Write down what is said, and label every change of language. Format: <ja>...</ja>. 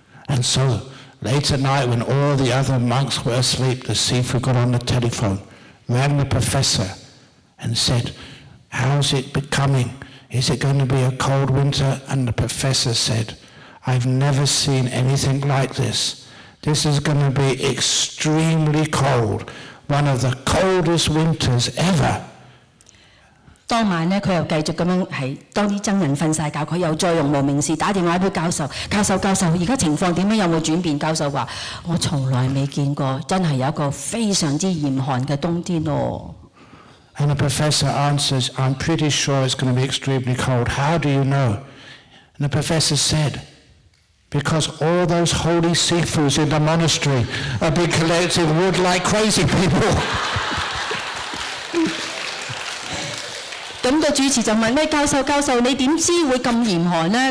<en>And so, late at night, when all the other monks were asleep, the Sifu got on the telephone, rang the professor, and said, "How's it becoming?" Is it going to be a cold winter? And the professor said, "I've never seen anything like this. This is going to be extremely cold, one of the coldest winters ever."</en> <yue>當晚咧，佢又繼續咁樣係當啲僧人瞓曬覺，佢又再用無名氏打電話俾教授，而家情況點樣？有冇轉變？教授話：我從來未見過，真係有一個非常之嚴寒嘅冬天哦。</yue> <en>And the professor answers, "I'm pretty sure it's going to be extremely cold. How do you know?" And the professor said, "Because all those holy sifus in the monastery have been collecting wood like crazy people."</en> <yue>咁個主持就問咧：教授，你點知會咁嚴寒咧？</yue>